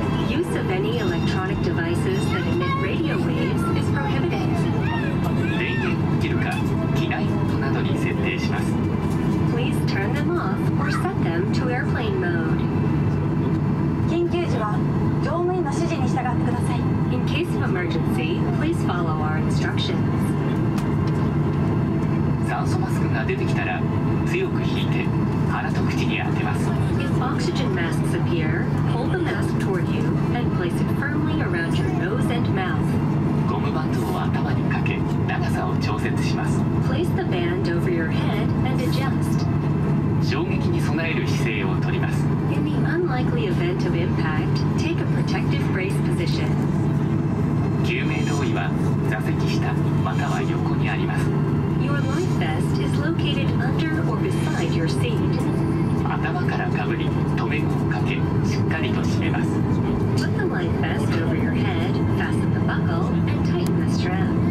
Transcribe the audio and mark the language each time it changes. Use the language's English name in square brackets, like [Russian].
[English] Use of any electronic devices that emit radio waves is prohibited. [Japanese] 電源を切るか、機内モードなどに設定します。 [English] Please turn them off or set them to airplane mode. [Japanese] 緊急時は乗務員の指示に従ってください。 [English] In case of emergency, please follow our instructions. [Japanese] 酸素マスクが出てきたら、強く引いて鼻と口に当てます。 [English] If oxygen masks appear, pull the mask toward you and place it firmly around your nose and mouth. [Japanese] ゴムバンドを頭にかけ、長さを調節します。 [English] Place the band over your head and adjust. [Japanese] 衝撃に備える姿勢をとります。 [English] In the unlikely event of impact, take a protective brace position. [Japanese] 救命胴衣は座席下または横にあります。 [English] Your life vest is located under or beside your seat. [Japanese] 頭からかぶり、留め具をかけ、しっかりと締めます。 [English] Put the life vest over your head, fasten the buckle, and tighten the strap.